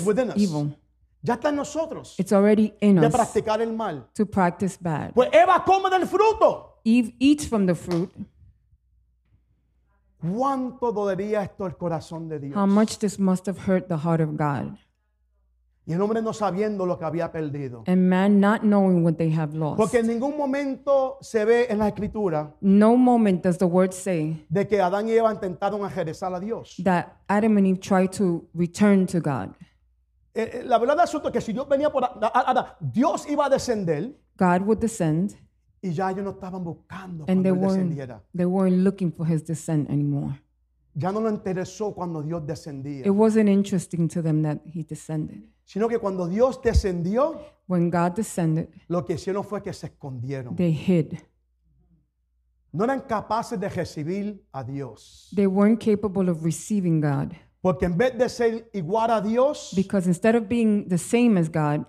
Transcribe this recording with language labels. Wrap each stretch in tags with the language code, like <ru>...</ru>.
<en>Is within us. Evil.</en> <es>Ya está en nosotros.</es> <en>It's already in</en> <es>de</es> <en>us.</en> <es>De practicar el mal.</es> <en>To practice bad.</en> <es>Pues Eva come del fruto.</es> <en>Eve eats from the fruit.</en> <es>¿Cuánto dolería esto el corazón de Dios?</es> <en>How much this must have hurt the heart of God.</en> <es>Y el hombre no sabiendo lo que había perdido.</es> <en>And man not knowing what they have lost.</en> <es>Porque en ningún momento se ve en la escritura.</es> <en>No moment does the word say.</en> <es>De que Adán y Eva intentaron regresar a Dios.</es> <en>That Adam and Eve tried to return to God.</en> <es>La verdad es que si Dios venía por Adán, Dios iba a descender.</es> <en>God would descend.</en> <es>Y ya ellos no estaban buscando cuando él descendiera.</es> <en>They weren't looking for his descent anymore.</en> <es>Ya no lo interesó cuando Dios descendía.</es> <en>It wasn't interesting to them that he descended.</en> <es>Sino que cuando Dios descendió,</es> <en>when God descended,</en> <es>lo que hicieron fue que se escondieron.</es> <en>They hid.</en> <es>No eran capaces de recibir a Dios.</es> <en>They weren't capable of receiving God.</en> <es>Porque en vez de ser igual a Dios,</es> <en>because instead of being the same as God,</en>